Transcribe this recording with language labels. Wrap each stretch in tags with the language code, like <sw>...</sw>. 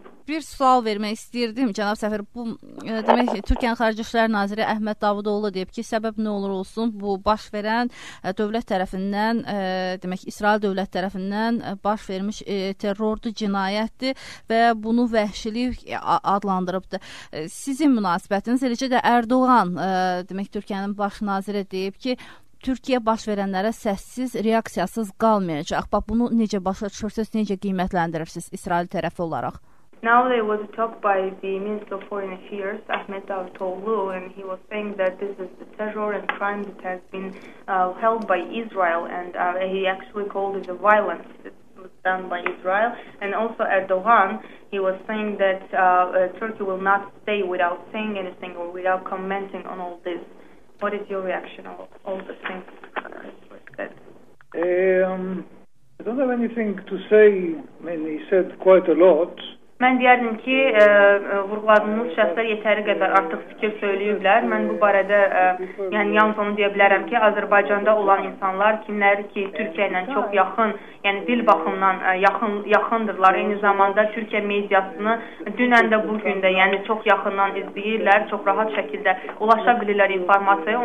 <az>Bir sual vermək istəyirdim, cənab səfir. Bu, demək ki, Türkiyənin Xarici İşlər Naziri Əhməd Davudoğlu deyib ki, səbəb nə olur olsun, bu baş verən dövlət tərəfindən, demək İsrail dövlət tərəfindən baş vermiş terrordur, cinayətdir və bunu vəhşilik adlandırıbdır. Sizin münasibətiniz, eləcə də Erdoğan, demək Türkiyənin baş naziri deyib ki, Türkiyə baş verənlərə səssiz, reaksiyasız qalmayacaq. Bax, bunu necə başa düşürsünüz, necə qiymətləndirirsiniz İsrail tərəfi olaraq?</az> <en>Now there was a talk by the Minister of Foreign Affairs, Ahmet Davutoğlu, and he was saying that this is the terror and crime that has been held by Israel, and he actually called it a violence that was done by Israel. And also Erdogan, he was saying that Turkey will not stay without saying anything or without commenting on all this. What is your reaction on all the things that were said? I don't have anything to say. I mean, he said quite a lot.</en> <az>Mən deyərdim ki, vurğuladığınız şəxslər yetəri qədər artıq fikir söyləyiblər. Mən bu barədə yəni yalnız onu deyə bilərəm ki, Azərbaycanda olan insanlar kimləri ki, Türkiyə ilə çox yaxın, yəni dil baxımından yaxındırlar. Eyni zamanda Türkiyə mediasını dünən də bu gün də yəni çox yaxından izləyirlər, çox rahat şəkildə ulaşa bilirlər informasiyaya.</az>